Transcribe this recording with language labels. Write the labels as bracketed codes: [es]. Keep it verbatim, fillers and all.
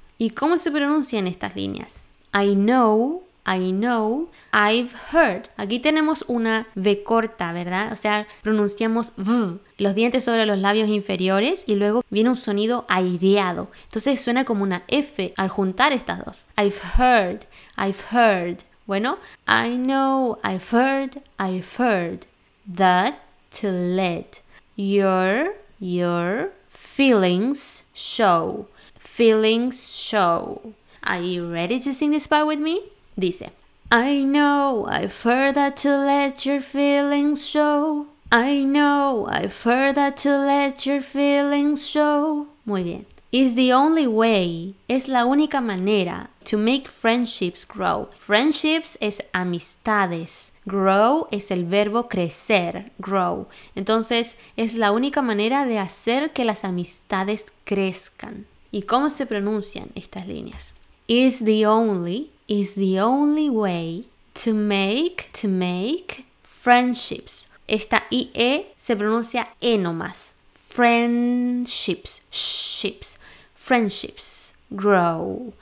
[es] ¿Y cómo se pronuncian estas líneas? [en] I know, I know, I've heard. [es] Aquí tenemos una V corta, ¿verdad? O sea, pronunciamos V, los dientes sobre los labios inferiores y luego viene un sonido aireado. Entonces, suena como una F al juntar estas dos. [en] I've heard, I've heard. [es] Bueno, [en] I know, I've heard, I've heard that to let your, your feelings show. Feelings show. Are you ready to sing this part with me? [es] Dice, [en] I know, I've heard that to let your feelings show. I know, I've heard that to let your feelings show. [es] Muy bien. [en] Is the only way, [es] es la única manera, [en] to make friendships grow. [es] Friendships es amistades. Grow es el verbo crecer, grow. Entonces, es la única manera de hacer que las amistades crezcan. ¿Y cómo se pronuncian estas líneas? [en] Is the only, is the only way to make, to make friendships. [es] Esta IE se pronuncia E nomás. [en] Friendships, ships, friendships, grow.